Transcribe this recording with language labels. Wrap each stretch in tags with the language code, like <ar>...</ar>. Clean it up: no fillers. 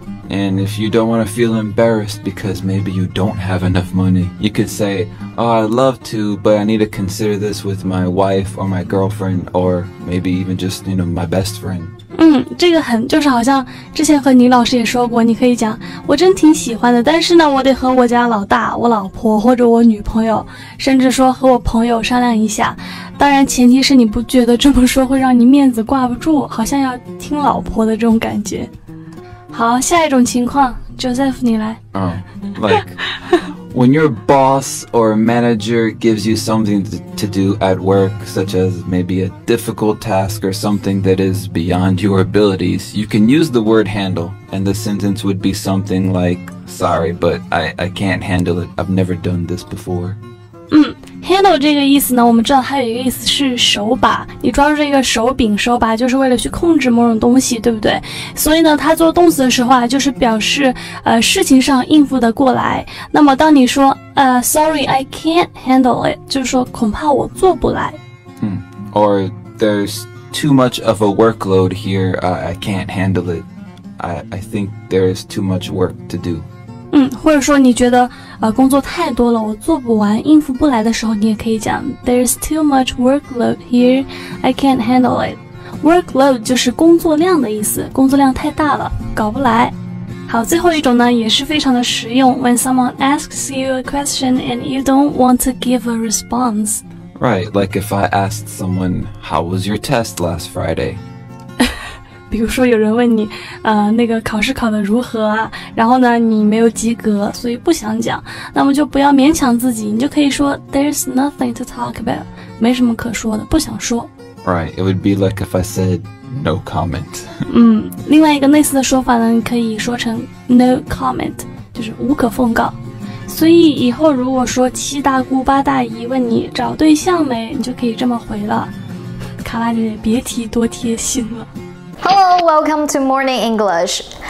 <en>And if you don't want to feel embarrassed because maybe you don't have enough money, you could say, oh, I'd love to, but I need to consider this with my wife or my girlfriend or maybe even just, you know, my best friend.</en> <zh>这个很，就是好像之前和倪老师也说过，你可以讲，我真挺喜欢的，但是呢，我得和我家老大、我老婆或者我女朋友，甚至说和我朋友商量一下。当然前提是你不觉得这么说会让你面子挂不住，好像要听老婆的这种感觉。好，下一种情况 ，Joseph， 你来。</zh> <en>Like when your boss or manager gives you something to do at work, such as maybe a difficult task or something that is beyond your abilities, you can use the word handle, and the sentence would be something like, "Sorry, but I can't handle it. I've never done this before."</en> <zh>Handle 这个意思呢，我们知道它有一个意思是手把，你抓住这个手柄，手把就是为了去控制某种东西，对不对？所以呢，它做动词的时候啊，就是表示事情上应付的过来。那么当你说</zh> <en>sorry, I can't handle it,</en> <zh>就是说恐怕我做不来。</zh> <en>Or there's too much of a workload here, I can't handle it. I think there's too much work to do.</en> <zh>或者说你觉得工作太多了，我做不完，应付不来的时候，你也可以讲</zh> <en>There's too much workload here, I can't handle it.</en> <zh>Workload 就是工作量的意思，工作量太大了，搞不来。好，最后一种呢，也是非常的实用。</zh> <en>When someone asks you a question and you don't want to give a response. Right, like if I asked someone, how was your test last Friday?</en> <zh>比如说有人问你那个考试考得如何啊，然后呢你没有及格，所以不想讲，那么就不要勉强自己，你就可以说</zh> <en>There's nothing to talk about,</en> <zh>没什么可说的，不想说。</zh> <en>Right, it would be like if I said no comment.</en> <zh>另外一个类似的说法呢，你可以说成</zh> <en>no comment,</en> <zh>就是无可奉告。所以以后如果说七大姑八大姨问你找对象没，你就可以这么回了，卡拉姐姐别提多贴心了。</zh> <en>Hello, welcome to Morning English.</en>